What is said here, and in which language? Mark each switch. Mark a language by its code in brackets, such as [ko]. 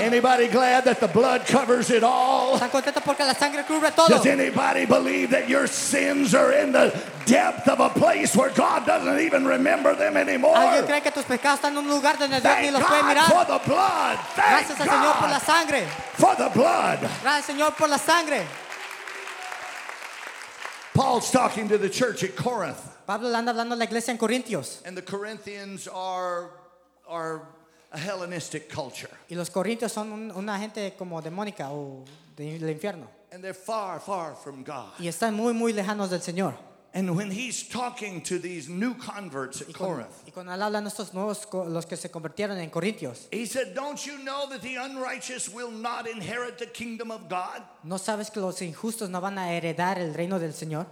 [en] Anybody glad that the blood covers it all? [es] Están contentos porque la sangre cubre todo. [en] Does anybody believe that your sins are in the depth of a place where God doesn't even remember them anymore? [es] Alguien cree que tus pecados están en un lugar donde Dios ni los puede mirar. [en] Thank God for the blood. [es] Gracias al Señor por la sangre. [en] For the blood. [es] Gracias Señor por la sangre. [en] Paul's talking to the church at Corinth. [es] Pablo anda hablando a la iglesia en Corintios. [en] And the Corinthians are a Hellenistic culture. [es] Y los corintios son una gente como demónica o del infierno. [en] And they're far, far from God. [es] Y están muy, muy lejanos del Señor. [en] And when he's talking to these new converts at Corinth, [es] y cuando habla de estos nuevos los que se convirtieron en Corintios, [en] he said, "Don't you know that the unrighteous will not inherit the kingdom of God?" [es] ¿No sabes que los injustos no van a heredar el reino del Señor?